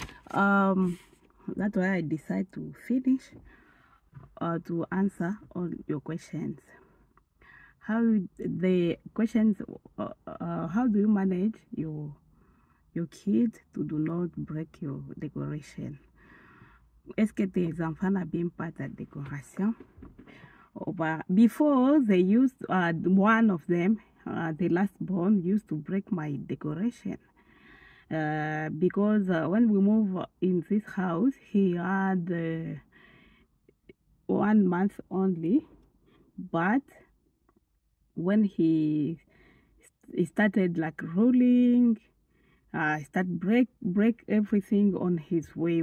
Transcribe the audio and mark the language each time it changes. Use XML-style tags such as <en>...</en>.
<en>That's why I decided to finish or to answer all your questions. How the questions? How do you manage your kid to do not break your decoration?</en> <fr>Est-ce que tes enfants n'abîment pas ta décoration?</fr> <en>Before they used one of them, the last born used to break my decoration. Because when we move in this house, he had 1 month only, but when he started like rolling, start break everything on his way.</en>